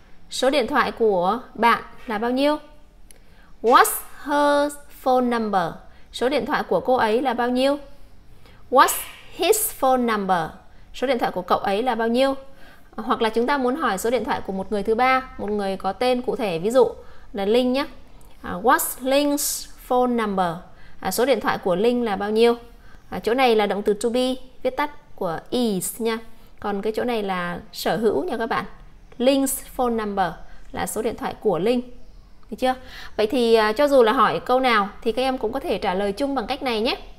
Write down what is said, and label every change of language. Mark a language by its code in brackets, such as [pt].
[vi] Số điện thoại của bạn là bao nhiêu? [en] What's her phone number? [vi] Số điện thoại của cô ấy là bao nhiêu? [en] What's his phone number? [vi] Số điện thoại của cậu ấy là bao nhiêu? Hoặc là chúng ta muốn hỏi số điện thoại của một người thứ ba, một người có tên cụ thể, ví dụ là Linh nhé. [en] What's Linh's phone number? [vi] Số điện thoại của Linh là bao nhiêu? Chỗ này là động từ to be, viết tắt của is nha. Còn cái chỗ này là sở hữu nha các bạn. Linh's phone number là số điện thoại của Linh. Được chưa? Vậy thì cho dù là hỏi câu nào thì các em cũng có thể trả lời chung bằng cách này nhé.